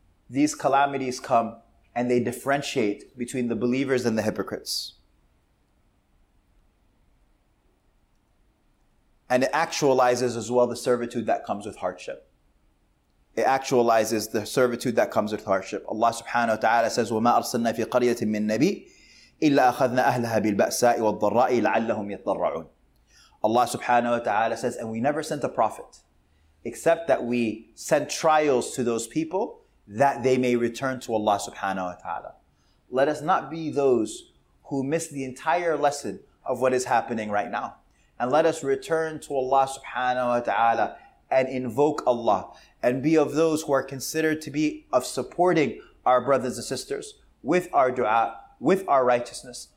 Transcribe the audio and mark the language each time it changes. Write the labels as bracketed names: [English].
[English] These calamities come and they differentiate between the believers and the hypocrites. And it actualizes as well the servitude that comes with hardship. It actualizes the servitude that comes with hardship. [Arabic] Allah subhanahu wa ta'ala says, وَمَا أَرْسَلْنَا فِي قَرْيَةٍ مِّن نَبِيٍّ إِلَّا أَخَذْنَا أَهْلَهَا بِالْبَأْسَاءِ وَالضَّرَّاءِ لَعَلَّهُمْ يَتَّرَّعُونَ. [English] Allah subhanahu wa ta'ala says, and we never sent a prophet, except that we sent trials to those people that they may return to Allah subhanahu wa ta'ala. Let us not be those who miss the entire lesson of what is happening right now. And let us return to Allah subhanahu wa ta'ala and invoke Allah and be of those who are considered to be of supporting our brothers and sisters with our dua, with our righteousness.